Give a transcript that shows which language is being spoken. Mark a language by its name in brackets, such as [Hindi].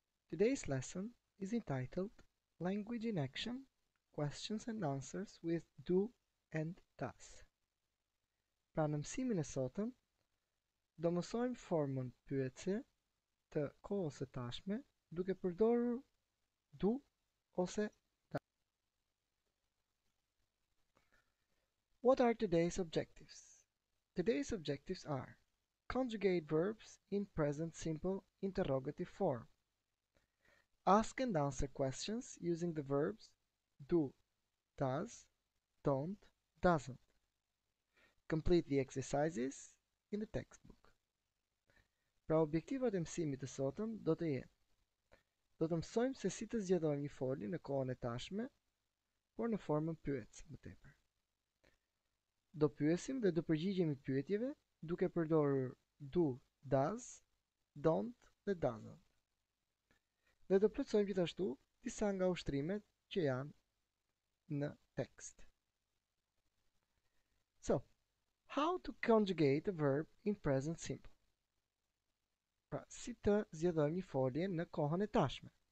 [English] Today's lesson is entitled Language in Action, Questions and Answers with Do and Does. [Albanian] Pranamsi Minnesotan, domosojm formën pyetje të kohës së tashme duke përdorur do ose does. [English] What are today's objectives? Today's objectives are conjugate verbs in present simple interrogative form. Ask and answer questions using the verbs do, does, don't, doesn't. Complete the exercises in the textbook. [Albanian] Pra objektivat e mësimit të sotëm do të jetë. Do të mësojmë se si të zgjedhojmë një folje në kohën e tashme, por në formën pyetëse më tepër. Do pyesim dhe do përgjigjemi pyetjeve duke përdorur do, does, don't dhe doesn't. Dhe do plotësojmë gjithashtu disa nga ushtrimet që janë në tekst. [English] So, how to conjugate a verb in present simple? [Albanian] Pra, si të zgjedhojmë një folje në kohën e tashme?